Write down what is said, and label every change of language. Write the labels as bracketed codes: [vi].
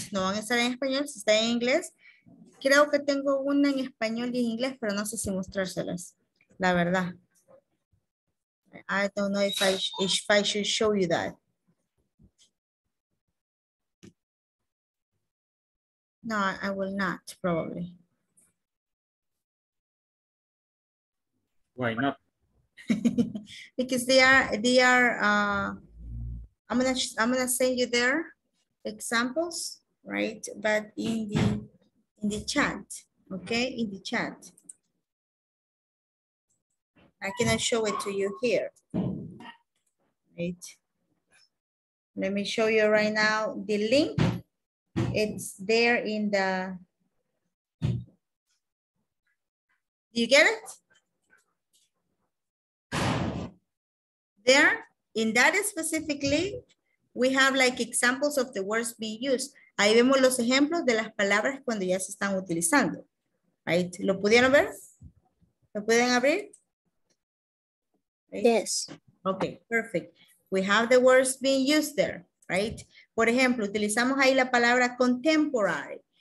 [es] No van a estar en español, si está en inglés. Creo que tengo una en español y en inglés, pero no sé si mostrárselas, la verdad. [en] I don't know if I should show you that. No, I will not, probably. Why not? Because I'm gonna send you their examples, right? But in the chat, okay, in the chat. I cannot show it to you here, right? Let me show you right now the link. It's there in the, you get it? There, in that specific link, we have like examples of the words being used. [es] Ahí vemos los ejemplos de las palabras cuando ya se están utilizando. [en] Right. [es] ¿Lo pudieron ver? ¿Lo pueden abrir? [en] Right. Yes. Okay, perfect. We have the words being used there, right? [es] Por ejemplo, utilizamos ahí la palabra [en] contemporary.